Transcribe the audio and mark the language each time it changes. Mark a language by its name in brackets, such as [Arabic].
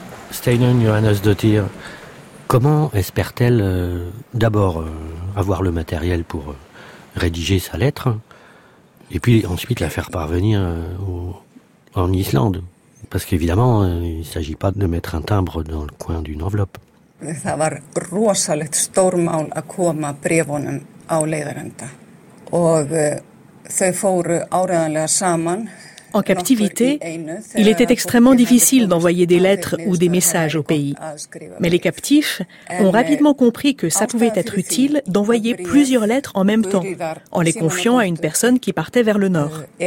[French] Steinon Johannes Dottir, comment espère-t-elle d'abord avoir le matériel pour rédiger sa lettre, et puis ensuite la faire parvenir en Islande? Parce qu'évidemment, il ne s'agit pas de mettre un timbre dans le coin d'une enveloppe. [Icelandic] Ça var rosalegt stórmál að koma bréfunum á leiðarenda. Og þau fóru áreiðanlega saman. [French] En captivité, il était extrêmement difficile d'envoyer des lettres ou des messages au pays. Mais les captifs ont rapidement compris que ça pouvait être utile d'envoyer plusieurs lettres en même temps, en les confiant à une personne qui partait vers le nord.